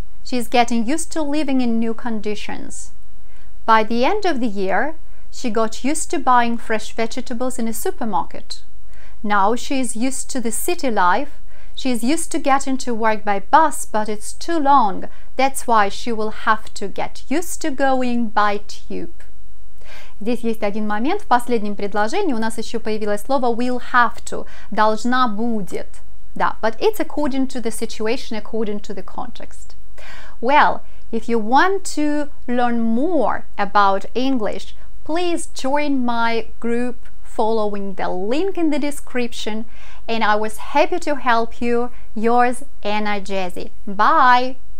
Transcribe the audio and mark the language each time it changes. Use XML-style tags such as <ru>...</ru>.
<en>She is getting used to living in new conditions. By the end of the year, she got used to buying fresh vegetables in a supermarket. Now she is used to the city life. She is used to getting to work by bus, but it's too long. That's why she will have to get used to going by tube.</en> <ru>Здесь есть один момент. В последнем предложении у нас еще появилось слово will have to. Должна будет.</ru> <en>Да, but it's according to the situation, according to the context. Well, if you want to learn more about English, please join my group following the link in the description. And I was happy to help you. Yours, Anna Jazzy. Bye!</en>